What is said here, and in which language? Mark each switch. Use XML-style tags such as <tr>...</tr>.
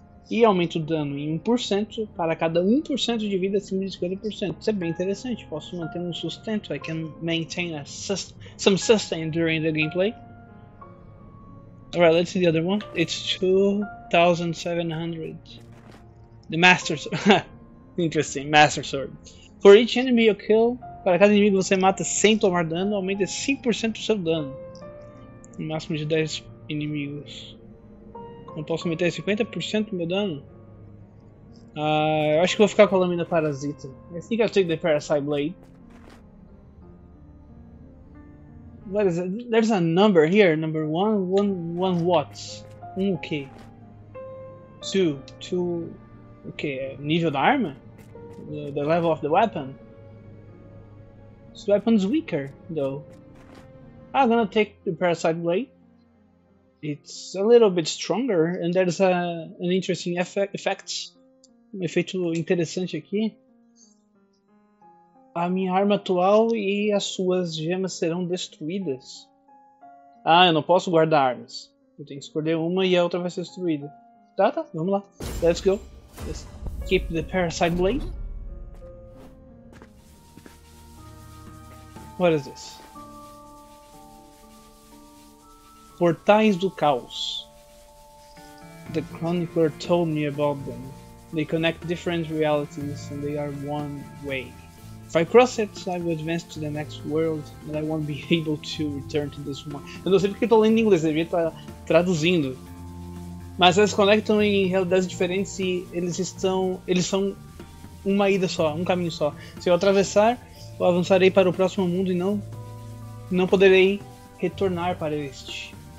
<pt>E aumenta o dano em 1% para cada 1% de vida acima de 50%. Isso é bem interessante. Posso manter um sustento.</pt> <en>I can maintain some sustain during the gameplay. Alright, let's see the other one. It's 2700. The Master Sword. Interesting. Master Sword. For each enemy you kill,</en> <pt>para cada inimigo você mata sem tomar dano, aumenta 5% do seu dano. No máximo de 10 inimigos. Não posso meter 50% do meu dano? Eu acho que vou ficar com a lâmina parasita.</pt> <en>I think I'll take the Parasite Blade. What is it? There's a number here. Number one, one watts. Okay. Two.</en> <pt>Okay, nível da arma?</pt> <en>The level of the weapon? This weapon's weaker, though. I'm gonna take the Parasite Blade. It's a little bit stronger, and there's an interesting effect.</en> <pt>Um efeito interessante aqui. A minha arma atual e as suas gemas serão destruídas. Ah, eu não posso guardar armas. Eu tenho que escolher uma e a outra vai ser destruída. Tá, vamos lá.</pt> <en>Let's go. Let's keep the Parasite Blade. What is this?</en> <pt>Portais do Caos.</pt> <en>The Chronicler told me about them. They connect different realities and they are one way. If I cross it, I will advance to the next world, but I won't be able to return to this one.</en> <pt>Eu não sei porque estou lendo em inglês, devia estar traduzindo. Mas elas conectam em realidades diferentes e eles são uma ida só, um caminho só. Se eu atravessar, eu avançarei para o próximo mundo e não poderei retornar para este.</pt>